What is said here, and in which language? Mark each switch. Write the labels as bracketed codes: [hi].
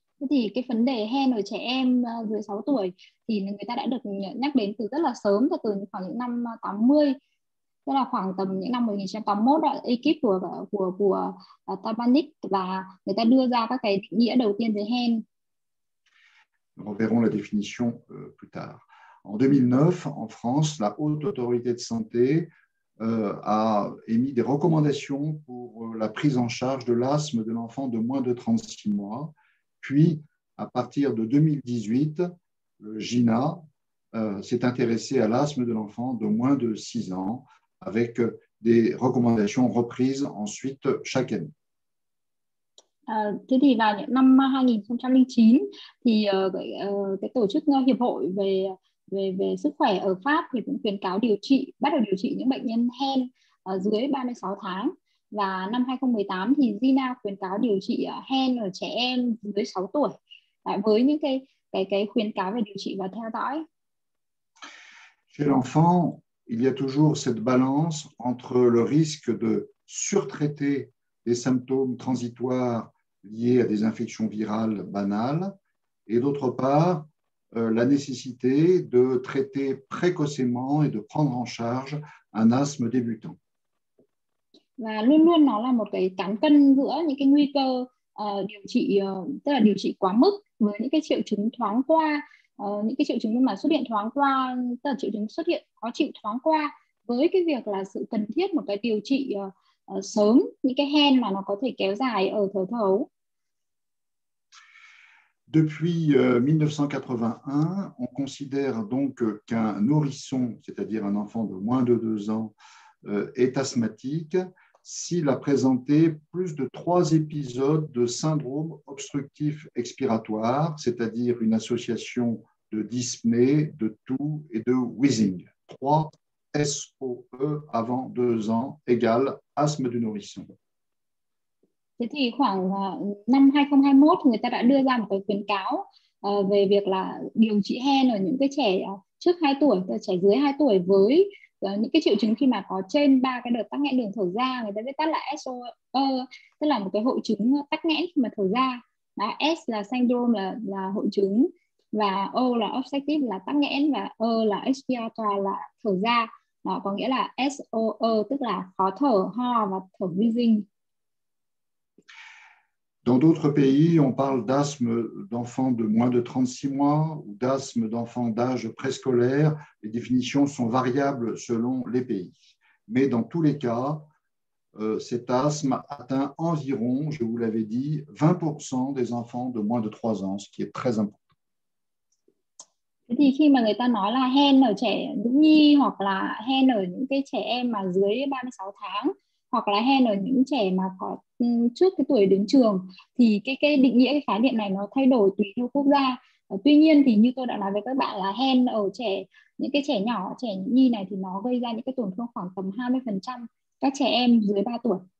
[vi] Thì cái vấn đề hen ở trẻ em dưới 6 tuổi thì người ta đã được nhắc đến từ rất là sớm, từ khoảng những năm 80, tức là khoảng tầm những năm 1981 đó, ekip của Tabanic, và người ta đưa ra các cái định nghĩa đầu tiên về hen. [fr] Nous verrons la définition plus tard. En 2009, en France, la Haute Autorité de Santé a émis des recommandations pour la prise en charge de l'asthme de l'enfant de moins de 36 mois. Puis, à partir de 2018, le GINA s'est intéressé à l'asthme de l'enfant de moins de 6 ans, avec des recommandations reprises ensuite chaque année. [vi] Thế thì vào những năm 2009 thì cái tổ chức hiệp hội về về về sức khỏe ở Pháp thì cũng khuyến cáo điều trị, bắt đầu điều trị những bệnh nhân hen dưới 36 tháng, và năm 2018 thì GINA khuyến cáo điều trị hen ở trẻ em dưới 6 tuổi với những cái khuyến cáo về điều trị và theo dõi. [fr] Chez l'enfant, il y a toujours cette balance entre le risque de surtraiter des symptômes transitoires liés à des infections virales banales et d'autre part, la nécessité de traiter précocement et de prendre en charge un asthme débutant. [vi] Và luôn luôn nó là một cái cán cân giữa những cái nguy cơ điều trị, tức là điều trị quá mức với những cái triệu chứng thoáng qua, những cái triệu chứng mà xuất hiện thoáng qua, tức là triệu chứng xuất hiện khó chịu thoáng qua, với cái việc là sự cần thiết một cái điều trị sớm những cái hen mà nó có thể kéo dài ở thời thơ ấu. [fr] Depuis 1981, on considère donc qu'un nourrisson, c'est-à-dire un enfant de moins de 2 ans, est asthmatique s'il a présenté plus de 3 épisodes de syndrome obstructif expiratoire, c'est-à-dire une association de dyspnée, de toux et de wheezing. 3 SOE avant 2 ans égale asthme du nourrisson. [vi] Thế thì khoảng năm 2021 người ta đã đưa ra một cái khuyến cáo về việc là điều trị hen ở những cái trẻ trước 2 tuổi, trẻ dưới 2 tuổi với những cái triệu chứng khi mà có trên 3 cái đợt tắc nghẽn đường thở ra, người ta viết tắt là SOE, tức là một cái hội chứng tắc nghẽn khi mà thở ra. Đó, S là syndrome là hội chứng, và O là obstructive là tắc nghẽn, và E là expiratory là thở ra. Đó, có nghĩa là SOE tức là khó thở, ho và thở wheezing. [fr] Dans d'autres pays, on parle d'asthme d'enfants de moins de 36 mois ou d'asthme d'enfants d'âge préscolaire. Les définitions sont variables selon les pays. Mais dans tous les cas, cet asthme atteint environ, je vous l'avais dit, 20% des enfants de moins de 3 ans, ce qui est très important. [vi] Thì khi mà người ta nói là hen ở trẻ nhũ nhi hoặc là hen ở những cái trẻ em mà dưới 36 tháng hoặc là hen ở những trẻ mà có trước cái tuổi đến trường, thì cái định nghĩa, cái khái niệm này nó thay đổi tùy theo quốc gia. Tuy nhiên thì như tôi đã nói với các bạn là hen ở trẻ, những cái trẻ nhỏ, trẻ nhũ nhi này thì nó gây ra những cái tổn thương khoảng tầm 20% các trẻ em dưới 3 tuổi.